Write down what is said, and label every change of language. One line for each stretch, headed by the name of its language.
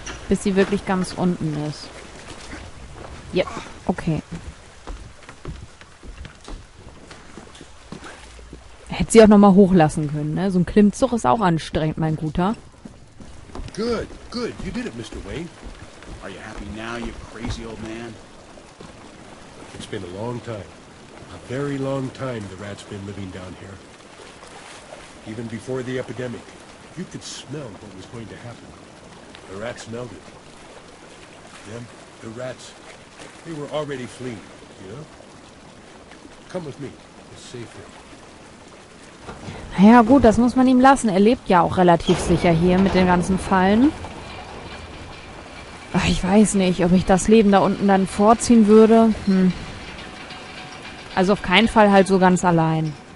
German: Bis sie wirklich ganz unten ist. Ja, okay. Hätte sie auch nochmal hochlassen können, ne? So ein Klimmzug ist auch anstrengend, mein Guter.
English: Good, good. You did it, Mr. Wayne. Are you happy now, you crazy old man? It's been a long time. A very long time the rats been living down here. Even before the epidemic, you could smell what was going to happen. The rats smelled it. Then, the rats, they were already fleeing, you know? Come with me. It's safe here.
German: Ja gut, das muss man ihm lassen. Er lebt ja auch relativ sicher hier mit den ganzen Fallen. Ach, ich weiß nicht, ob ich das Leben da unten dann vorziehen würde. Also auf keinen Fall halt so ganz allein.